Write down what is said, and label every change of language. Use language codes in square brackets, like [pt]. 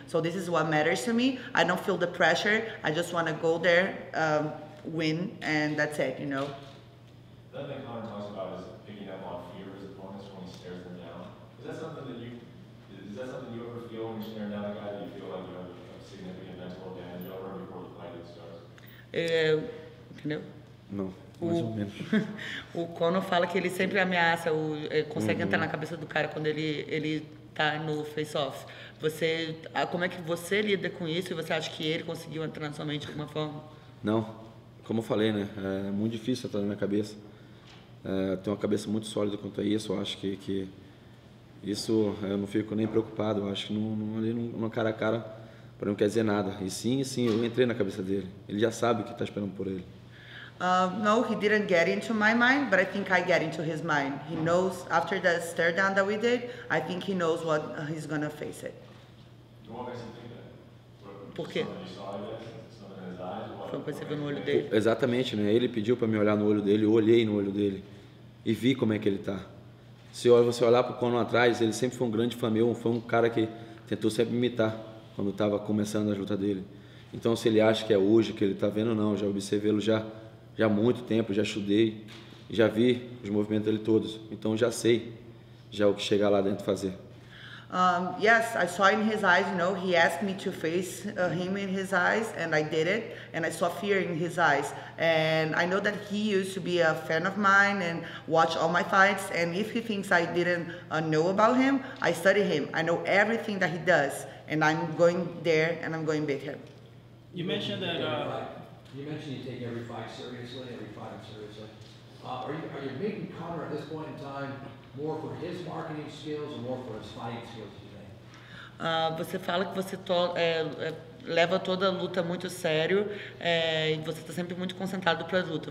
[en] So this is what matters to me. I don't feel the pressure. I just want to go there, win, and that's it, you know. The other thing Conor talks about is picking up on fear of his opponents when he stares them down. Is that something you ever feel when you're staring down a guy that you feel like you have a significant mental advantage over before the fight is [pt] Entendeu? Não, mais ou menos. O Conor fala que ele sempre ameaça, consegue entrar na cabeça do cara quando ele tá no face-off. Você, como é que você lida com isso e você acha que ele conseguiu entrar na sua mente de alguma forma? Não, como eu falei, né? É muito difícil entrar na minha cabeça. Tenho uma cabeça muito sólida quanto a isso. Eu acho que isso eu não fico nem preocupado. Eu acho que não cara a cara para não quer dizer nada. E sim, eu entrei na cabeça dele. Ele já sabe o que está esperando por ele. [en] No, he didn't get into my mind, but I think I get into his mind. He knows, after that stare down that we did, I think he knows what he's going to face it. [pt] Por quê? Foi o que você viu no olho dele. Exatamente, né? Ele pediu para me olhar no olho dele, eu olhei no olho dele e vi como é que ele está. Se você olhar para o Conor atrás, ele sempre foi um grande fã meu, foi um cara que tentou sempre me imitar quando estava começando a luta dele. Então, se ele acha que é hoje que ele está vendo, não, já observei-lo já. Já há muito tempo, já estudei, já vi os movimentos dele todos. Então já sei já o que chegar lá dentro fazer. [en] Yes, I saw in his eyes, you know, he asked me to face him in his eyes, and I did it, and I saw fear in his eyes. And I know that he used to be a fan of mine and watch all my fights, and if he thinks I didn't know about him, I study him. I know everything that he does, and I'm going there, and I'm going to beat him. You mentioned that... You mentioned you take every fight seriously, every fight seriously. Are you making Conor at this point in time more for his marketing skills or more for his fighting skills, do you think? [pt] Você fala que você leva toda a luta muito sério e você está sempre muito concentrado para a luta.